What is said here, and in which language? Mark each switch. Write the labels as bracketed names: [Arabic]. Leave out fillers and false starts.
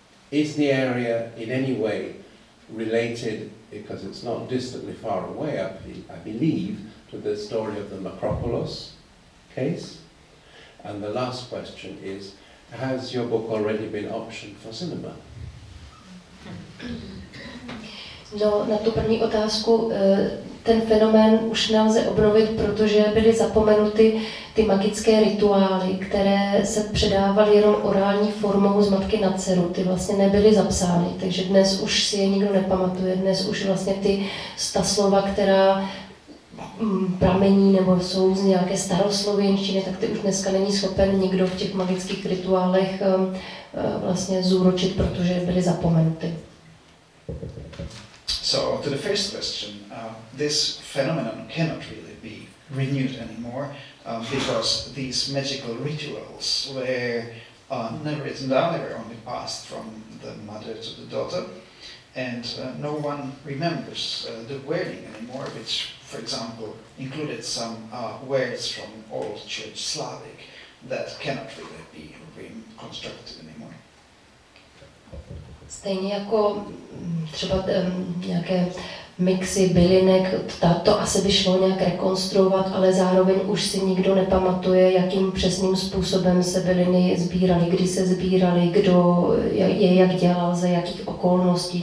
[English] Is the area in any way related, because it's not distantly far away, I believe, to the story of the Macropolis case? And the last question is, has your book already been optioned for cinema? [Czech] No, na tu první otázku, ten fenomén už nelze obnovit, protože byly zapomenuty ty magické rituály, které se předávaly jenom orální formou z matky na dceru. Ty vlastně nebyly zapsány, takže dnes už si je nikdo nepamatuje. Dnes už vlastně ta slova, která pramení nebo jsou z nějaké staroslovenštiny, tak ty už dneska není schopen nikdo v těch magických rituálech vlastně zúročit, protože byly zapomenuty. [English] So, to the first question, this phenomenon cannot really be renewed anymore because these magical rituals were never written down, they were only passed from the mother to the daughter, and no one remembers the wording anymore, which, for example, included some words from old Church Slavic that cannot really be reconstructed anymore. [Czech] Stejně jako třeba nějaké mixy bylinek, to asi by šlo nějak rekonstruovat, ale zároveň už si nikdo nepamatuje, jakým přesným způsobem se byliny sbíraly, kdy se sbíraly, kdo je jak dělal, za jakých okolností.